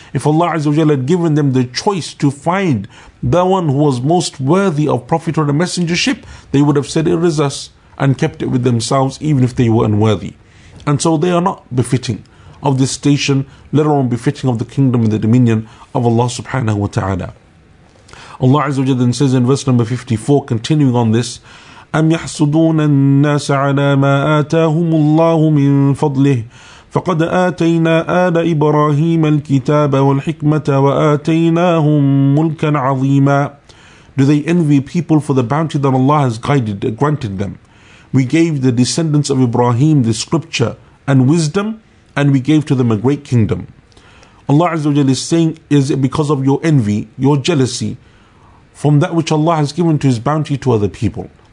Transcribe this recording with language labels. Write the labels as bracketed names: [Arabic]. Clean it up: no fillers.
[English] If Allah Azza wa Jalla had given them the choice to find the one who was most worthy of prophet or the messengership, they would have said it is us and kept it with themselves even if they were unworthy. And so they are not befitting of this station, let alone befitting of the kingdom and the dominion of Allah subhanahu wa ta'ala. Allah Azza wa Jalla then says in verse number 54, continuing on this, [Arabic] أَمْ يَحْسُدُونَ النَّاسَ عَلَى مَا آتَاهُمُ اللَّهُ مِنْ فَضْلِهِ فَقَدْ آتَيْنَا آلَ إِبْرَاهِيمَ الْكِتَابَ وَالْحِكْمَةَ وَآتَيْنَاهُمْ مُلْكًا عَظِيمًا. [English] Do they envy people for the bounty that Allah has granted them? We gave the descendants of Ibrahim the scripture and wisdom, and we gave to them a great kingdom. Allah Azza wa Jalla is saying, is it because of your envy, your jealousy, from that which Allah has given to His bounty to other people?